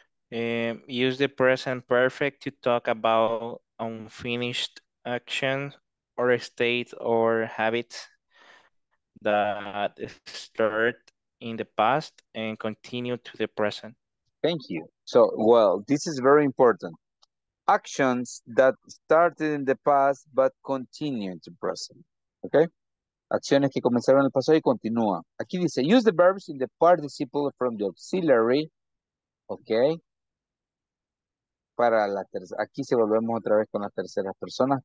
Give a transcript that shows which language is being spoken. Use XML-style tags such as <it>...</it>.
<en>Use the present perfect to talk about unfinished actions or state or habits that start in the past and continue to the present. Thank you. So, well, this is very important. Actions that started in the past but continue in the present. Okay?</en> <es>Acciones que comenzaron en el pasado y continúan. Aquí dice,</es> <en>use the verbs in the participle from the auxiliary.</en> <es>Okay? Para la tercera. Aquí se volvemos otra vez con las terceras personas.</es>